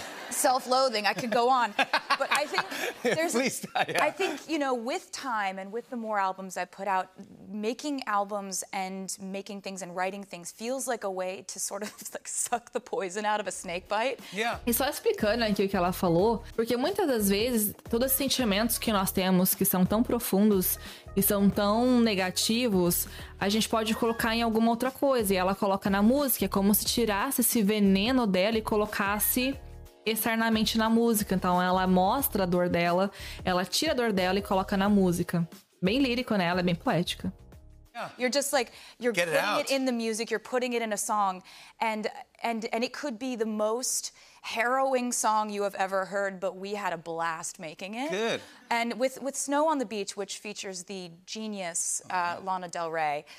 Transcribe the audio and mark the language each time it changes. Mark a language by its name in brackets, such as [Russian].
[English] self-loathing, I could go on. But I think there's... Please, yeah. I think, you know, with time and with the more albums I put out, making albums and making things and writing things feels like a way to sort of like suck the poison out of a snake bite. Yeah. [Portuguese] E só explicando aqui o que ela falou, porque muitas das vezes, todos os sentimentos que nós temos que são tão profundos e são tão negativos, a gente pode colocar em alguma outra coisa. E ela coloca na música, é como se tirasse esse veneno dela e colocasse externamente na música. Então ela mostra a dor dela, ela tira a dor dela e coloca na música. Bem lírico, né? Ela é bem poética. [English] You're just like, you're putting it in the music, you're putting it in a song, and it could be the most harrowing song you have ever heard, but we had a blast making it. Good. And with Snow on the Beach, which features the genius Lana Del Rey.